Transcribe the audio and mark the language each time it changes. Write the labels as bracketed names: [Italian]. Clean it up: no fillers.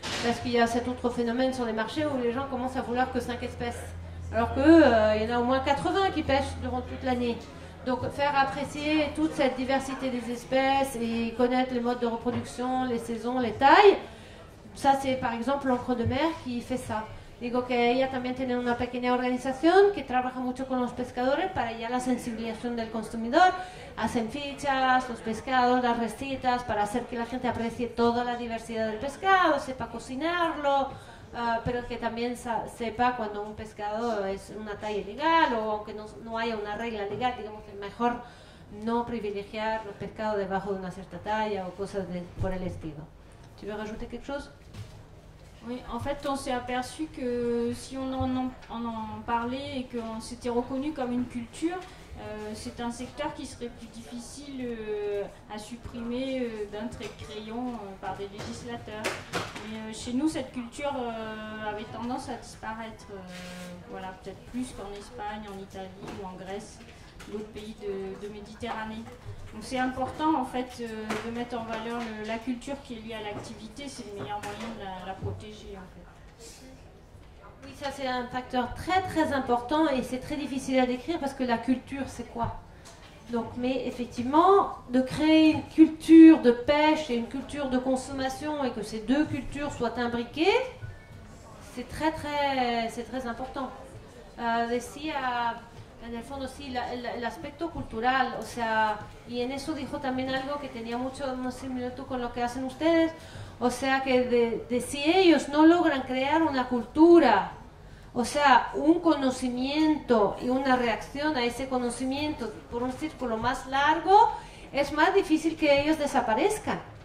[French] Parce qu'il y a cet autre phénomène sur les marchés où les gens commencent à vouloir que 5 espèces. Alors qu'eux, il y en a au moins 80 qui pêchent durant toute l'année. Donc faire apprécier toute cette diversité des espèces et connaître les modes de reproduction, les saisons, les tailles. Ça, c'est par exemple l'Encre de Mer qui fait ça. [Spanish] Digo que ella también tiene una pequeña organización que trabaja mucho con los pescadores para ya la sensibilización del consumidor. Hacen fichas, los pescados, las recetas, para hacer que la gente aprecie toda la diversidad del pescado, sepa cocinarlo, pero que también sepa cuando un pescado es una talla legal o aunque no haya una regla legal, digamos que mejor no privilegiar los pescados debajo de una cierta talla o cosas por el estilo. [French] Tu veux rajouter quelque chose? Oui, en fait, on s'est aperçu que si on en parlait et qu'on s'était reconnu comme une culture, c'est un secteur qui serait plus difficile à supprimer d'un trait de crayon par des législateurs. Mais chez nous, cette culture avait tendance à disparaître, voilà, peut-être plus qu'en Espagne, en Italie ou en Grèce, d'autres pays de Méditerranée. Donc c'est important en fait de mettre en valeur la culture qui est liée à l'activité, c'est le meilleur moyen de la protéger en fait. Oui, ça c'est un facteur très très important et c'est très difficile à décrire parce que la culture c'est quoi? Donc, mais effectivement, de créer une culture de pêche et une culture de consommation et que ces deux cultures soient imbriquées, c'est très très, c'est très important. D'ici à... [Spanish] En el fondo, sí, el aspecto cultural, o sea, y en eso dijo también algo que tenía mucho similitud con lo que hacen ustedes, o sea, que de si ellos no logran crear una cultura, o sea, un conocimiento y una reacción a ese conocimiento por un círculo más largo, es más difícil que ellos desaparezcan.